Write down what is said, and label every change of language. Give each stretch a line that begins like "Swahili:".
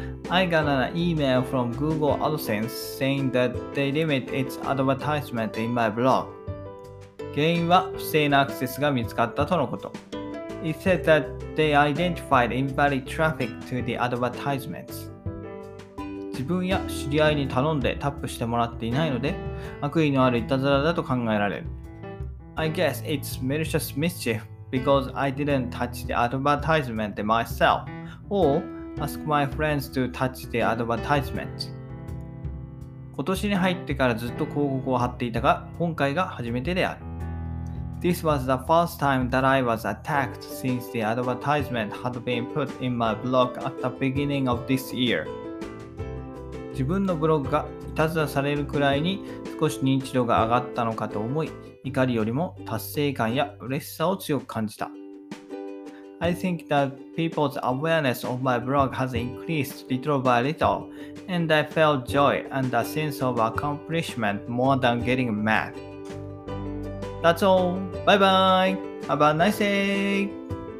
English: I got an email from Google AdSense saying that they limit its advertisement in my blog.
Japanese: 原因は不正なアクセスが見つかったとのこと。
English: It said that they identified invalid traffic to the advertisements.
Japanese: 自分や知り合いに頼んでタップしてもらっていないので、悪意のあるいたずらだと考えられる。
English: I guess it's malicious mischief because I didn't touch the advertisement myself or ask my friends to touch the advertisement.
Japanese: 今年に入ってからずっと広告を貼っていたが、今回が初めてである。
English: This was the first time that I was attacked since the advertisement had been put in my blog at the beginning of this year.
Japanese: 自分のブログがいたずらされるくらいに少し認知度が上がったのかと思い、怒りよりも達成感や嬉しさを強く感じた。
English: I think that people's awareness of my blog has increased little by little, and I felt joy and a sense of accomplishment more than getting mad. That's all. Bye bye. Have a nice day.